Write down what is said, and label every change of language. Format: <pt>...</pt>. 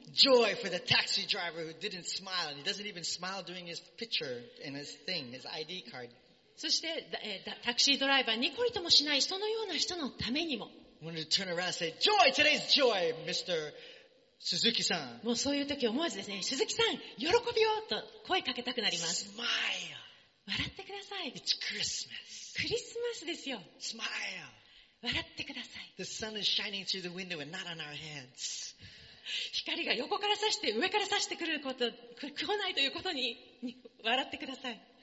<en>Joy for the taxi driver who didn't smile and he doesn't even smile doing his picture and his thing, his ID card.</en> <ja>そしてタクシードライバーニコリともしないそのような人のためにも。</ja> <en>I wanted to turn around and say, Joy, today's joy, Mr.</en> <ja>Suzuki さん。もうそういう時思わずですね、鈴木さん、喜びをと声かけたくなります。</ja> <en>Smile.</en> <ja>笑ってください。</ja> <en>It's Christmas.</en> <ja>クリスマスですよ。</ja> <en>Smile.</en> <ja>笑ってください。</ja> <en>The sun is shining through the window and not on our hands.</en> <ja>光が横から差して、上から差してくること、来ないということに、笑ってください。</ja>